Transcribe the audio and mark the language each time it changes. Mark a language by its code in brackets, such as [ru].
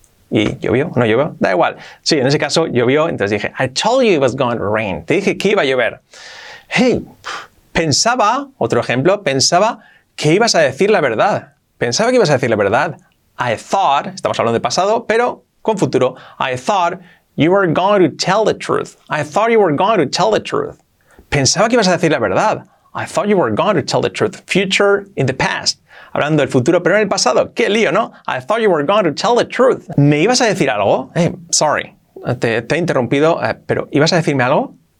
[es] ¿Y llovió o no llovió? Da igual. Sí, en ese caso llovió, entonces dije, [en] I told you it was going to rain. [es] Te dije que iba a llover. Hey, pensaba, otro ejemplo, pensaba que ibas a decir la verdad. Pensaba que ibas a decir la verdad. [en] I thought, [es] estamos hablando de pasado, pero con futuro. [en] I thought you were going to tell the truth. I thought you were going to tell the truth. [es] Pensaba que ibas a decir la verdad. [en] I thought you were going to tell the truth. Future in the past. [es] Hablando del futuro, pero en el pasado. ¡Qué lío, ¿no? [en] I thought you were going to tell the truth. [es] ¿Me ibas a decir algo? [en] Hey, sorry. [es] Te he interrumpido, pero ¿ibas a decirme algo?